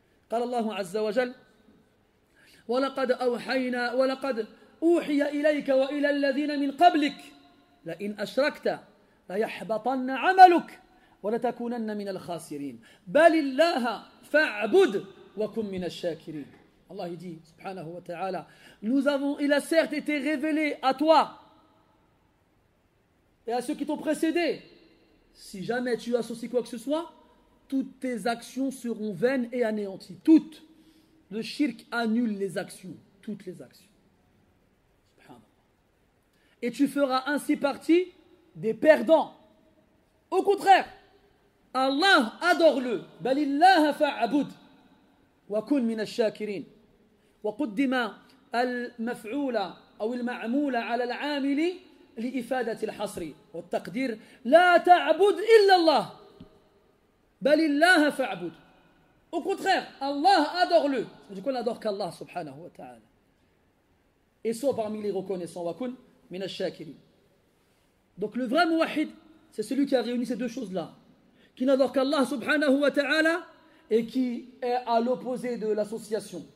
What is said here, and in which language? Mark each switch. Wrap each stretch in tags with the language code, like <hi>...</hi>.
<ar>قال الله عز وجل ولقد أوحينا ولقد أوحي إليك وإلى الذين من قبلك لئن أشركت ليحبطن عملك ولتكونن من الخاسرين بل الله فاعبد وكن من الشاكرين.</ar> <fr>Allah dit, subhanahu wa ta'ala, il a certes été révélé à toi et à ceux qui t'ont précédé. Si jamais tu associes quoi que ce soit, toutes tes actions seront vaines et anéanties. Toutes. Le shirk annule les actions. Toutes les actions. Subhanallah. Et tu feras ainsi partie des perdants. Au contraire, Allah adore-le.</fr> <ar>Balillah fa'abud. Wa kun min ash-shakirin. وقدم المفعول أو المعمول على العامل لإفادة الحصر والتقدير لا تعبد إلا الله بل الله فاعبد.</ar> <fr>Au contraire, الله adore-le. Je dis qu'on adore qu'Allah subhanahu wa ta'ala. Et sois parmi les reconnaissants.</fr> <ar>وكن من الشاكرين.</ar> <fr>Donc le vrai mouahid, c'est celui qui a réuni ces deux choses-là. Qui n'adore qu'Allah subhanahu wa ta'ala et qui est à l'opposé de l'association.</fr>